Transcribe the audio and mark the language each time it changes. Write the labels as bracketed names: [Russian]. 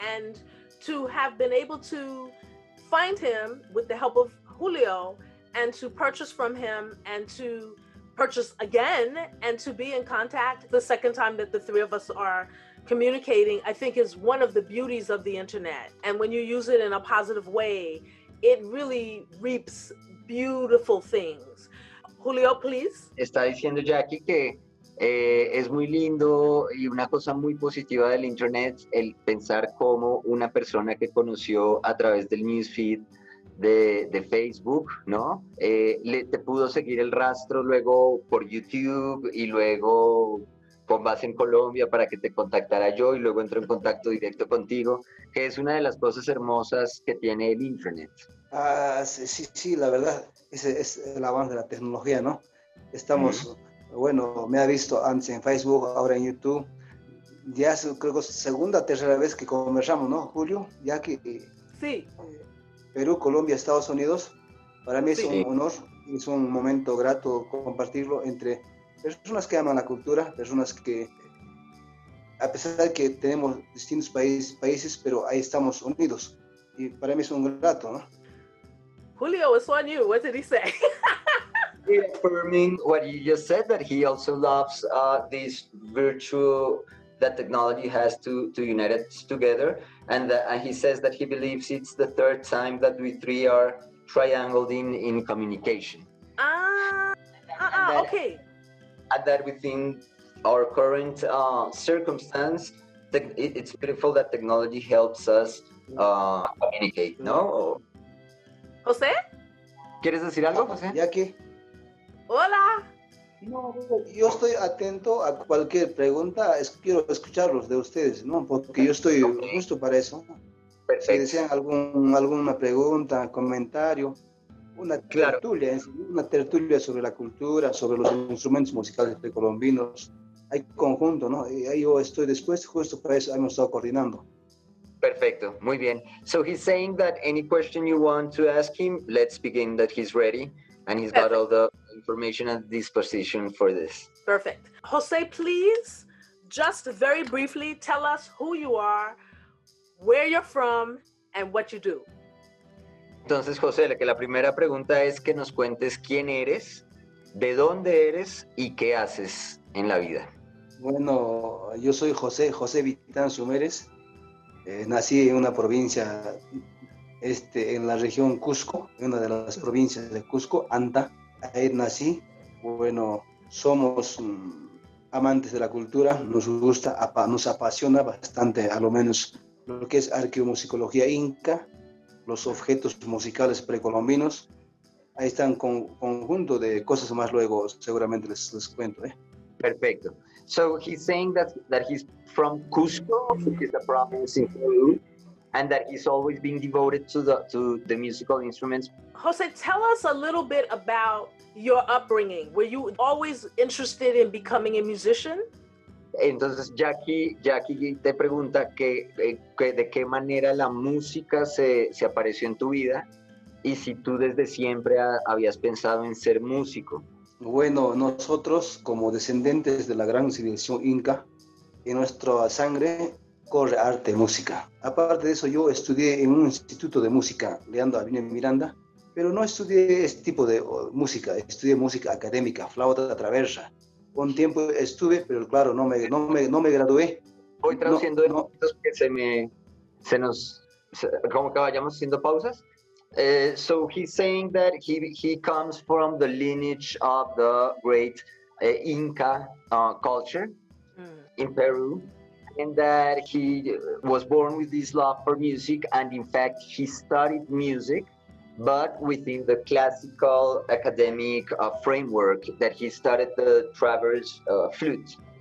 [English] And to have been able to find him with the help of Julio and to purchase from him and to purchase again and to be in contact the second time that the three of us are communicating, I think is one of the beauties of the internet. And when you use it in a positive way, it really reaps beautiful things. Julio, please. [Spanish] Está diciendo Jackie que es muy lindo y una cosa muy positiva del internet el pensar cómo una persona que conoció a través del newsfeed de Facebook, ¿no? Te pudo seguir el rastro luego por YouTube y luego con base en Colombia para que te contactara yo y luego entro en contacto directo contigo, que es una de las cosas hermosas que tiene el internet. Ah, sí, la verdad, es el avance de la tecnología, ¿no? Estamos, bueno, me ha visto antes en Facebook, ahora en YouTube. Ya es, creo, segunda, tercera vez que conversamos, ¿no, Julio? Ya que... Sí. Perú, Colombia, Estados Unidos. Para mí es un honor, es un momento grato compartirlo entre personas que aman la cultura, personas que, a pesar de que tenemos distintos países, pero ahí estamos unidos. Y para mí es un grato, ¿no? [English] Julio, it's on you. What did he say? Reaffirming what you just said, that he also loves this virtue that technology has to unite us together. And he says that he believes it's the third time that we three are triangled in communication. Okay. And that within our current circumstance, it's beautiful that technology helps us communicate, no? José? [Spanish] ¿Quieres decir algo, José? Ya que. Hola. No, yo estoy atento a cualquier pregunta. Quiero escucharlos de ustedes, ¿no? Porque yo estoy justo para eso. Perfecto. Si desean alguna pregunta, comentario, una tertulia, una tertulia sobre la cultura, sobre los instrumentos musicales precolombinos. Hay conjunto, ¿no? Y ahí yo estoy después, justo para eso, hemos estado coordinando. Perfecto, muy bien. [English] So he's saying that any question you want to ask him, let's begin, that he's ready. And he's got all the information at disposition for this. Perfect. Jose, please, just very briefly, tell us who you are, where you're from, and what you do. [Spanish] Entonces, Jose, que la primera pregunta es que nos cuentes quién eres, de dónde eres, y qué haces en la vida. Bueno, yo soy José Vitán Sumérez. Nací en una provincia en la región Cusco, una de las provincias de Cusco, Anta. Ahí nací. Bueno, somos amantes de la cultura, nos apasiona bastante, a lo menos lo que es arqueomusicología inca, los objetos musicales precolombinos. Ahí están con conjunto de cosas más luego, seguramente les cuento. Perfecto. [English] So he's saying that he's from Cusco, which is a province in Peru, and that he's always been devoted to the musical instruments. Jose, tell us a little bit about your upbringing. Were you always interested in becoming a musician? [Spanish] Entonces Jackie te pregunta que de qué manera la música se apareció en tu vida y si tú desde siempre habías pensado en ser músico. Bueno, nosotros como descendientes de la gran civilización inca, en nuestra sangre corre arte, música. Aparte de eso, yo estudié en un instituto de música, Leandro Avine Miranda, pero no estudié este tipo de música, estudié música académica, flauta traversa. Un tiempo estuve, pero claro, no me gradué. Voy traduciendo, no, en momentos que se nos... Como que vayamos haciendo pausas. [English] So he's saying that he comes from the lineage of the great Inca culture in Peru, and that he was born with this love for music, and in fact he studied music, but within the classical academic framework, that he studied the traverse flute.